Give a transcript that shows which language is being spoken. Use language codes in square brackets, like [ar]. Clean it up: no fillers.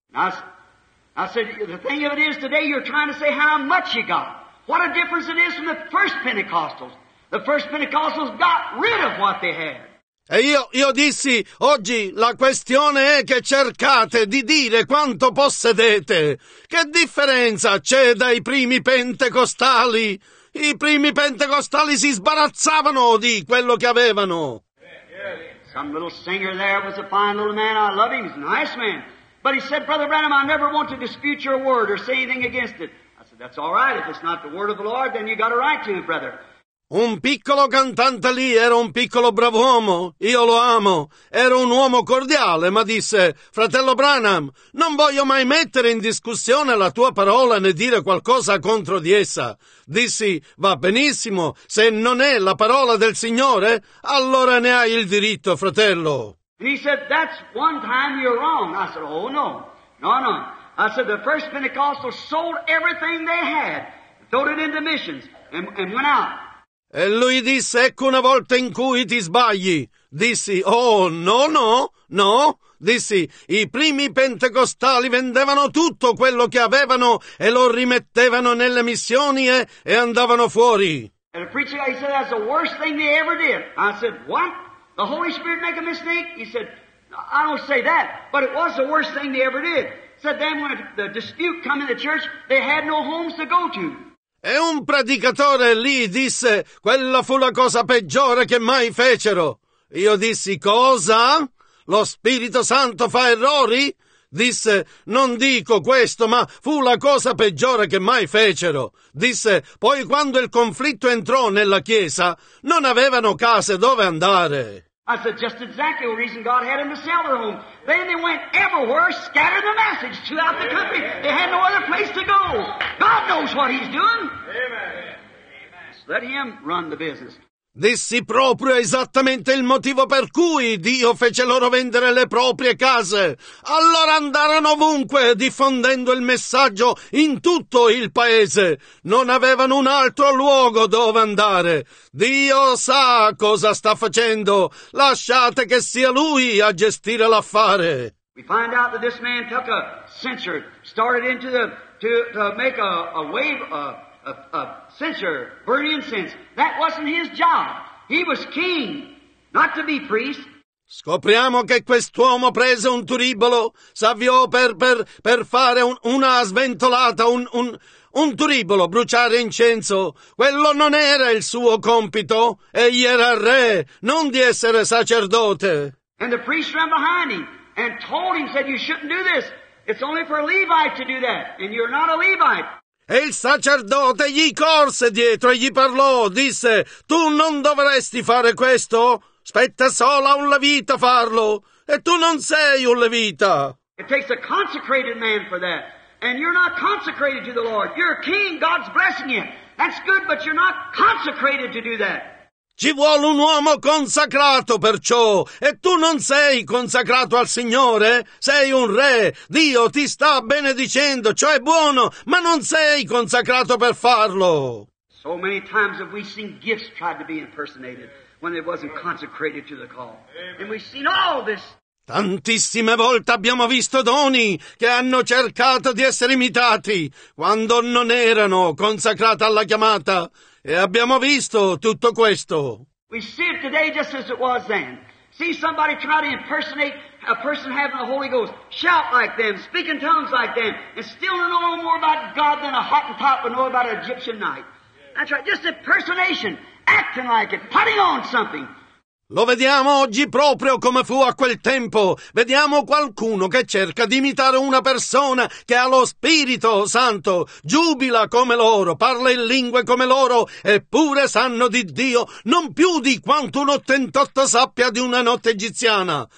[en] I said, the thing of it is, today you're trying to say how much you got. What a difference it is from the first Pentecostals. The first Pentecostals got rid of what they had. [it] E io dissi, oggi la questione è che cercate di dire quanto possedete. Che differenza c'è dai primi pentecostali? I primi pentecostali si sbarazzavano di quello che avevano. [en] Some little singer there was a fine little man. I love him. He's a nice man. But he said, Brother Branham, I never want to dispute your word or say anything against it. I said, that's all right. If it's not the word of the Lord, then you got a right to it, brother. [it] Un piccolo cantante lì era un piccolo brav'uomo, io lo amo, era un uomo cordiale, ma disse, fratello Branham, non voglio mai mettere in discussione la tua parola né dire qualcosa contro di essa. Dissi, va benissimo, se non è la parola del Signore, allora ne hai il diritto, fratello. [en] And he said, that's one time you're wrong. I said, oh no, no, no. I said, the first Pentecostal sold everything they had, threw it into missions, and went out. [it] E lui disse, ecco una volta in cui ti sbagli. Dissi, oh, no, no, no. Dissi, i primi pentecostali vendevano tutto quello che avevano e lo rimettevano nelle missioni e andavano fuori. [en] And the preacher, he said, that's the worst thing they ever did. I said, what? The Holy Spirit make a mistake? He said, I don't say that, but it was the worst thing they ever did. He said, then when the dispute come in the church, they had no homes to go to. [it] E un predicatore lì disse, quella fu la cosa peggiore che mai fecero. Io dissi, cosa? Lo Spirito Santo fa errori? Disse, non dico questo, ma fu la cosa peggiore che mai fecero. Disse, poi quando il conflitto entrò nella chiesa, non avevano case dove andare. [en] I said, just exactly the reason God had them to sell their home. Then they went everywhere, scattered the message throughout the country. They had no other place to go. God knows what he's doing. Amen. Let him run the business. [it] Dissi proprio esattamente il motivo per cui Dio fece loro vendere le proprie case. Allora andarono ovunque, diffondendo il messaggio in tutto il paese. Non avevano un altro luogo dove andare. Dio sa cosa sta facendo. Lasciate che sia Lui a gestire l'affare. [en] We find out that this man took a censer, started into the to make a wave of a censer, burn incense. That wasn't his job. He was king, not to be priest. [it] Scopriamo che quest'uomo prese un turibolo, s'avviò per fare una sventolata, un turibolo, bruciare incenso. Quello non era il suo compito. Egli era re, non di essere sacerdote. [en] And the priest ran behind him and told him, said, you shouldn't do this. It's only for a Levite to do that, and you're not a Levite. [it] E il sacerdote gli corse dietro e gli parlò, disse, tu non dovresti fare questo. Spetta solo a un levita farlo, e tu non sei un levita. [en] It takes a consecrated man for that, and you're not consecrated to the Lord. You're a king, God's blessing you. That's good, but you're not consecrated to do that. [it] Ci vuole un uomo consacrato perciò, e tu non sei consacrato al Signore, sei un re. Dio ti sta benedicendo, ciò è buono, ma non sei consacrato per farlo. [en] So many times have we seen gifts tried to be impersonated when it wasn't consecrated to the call. And we've seen all this. [it] Tantissime volte abbiamo visto doni che hanno cercato di essere imitati quando non erano consacrati alla chiamata. E abbiamo visto tutto questo. [en] We see it today just as it was then. See somebody try to impersonate a person having the Holy Ghost, shout like them, speak in tongues like them, and still don't know more about God than a Hottentot would know about an Egyptian knight. That's right, just impersonation. Acting like it, putting on something. [it] Lo vediamo oggi proprio come fu a quel tempo. Vediamo qualcuno che cerca di imitare una persona che ha lo Spirito Santo, giubila come loro, parla in lingue come loro, eppure sanno di Dio non più di quanto un 88 sappia di una notte egiziana.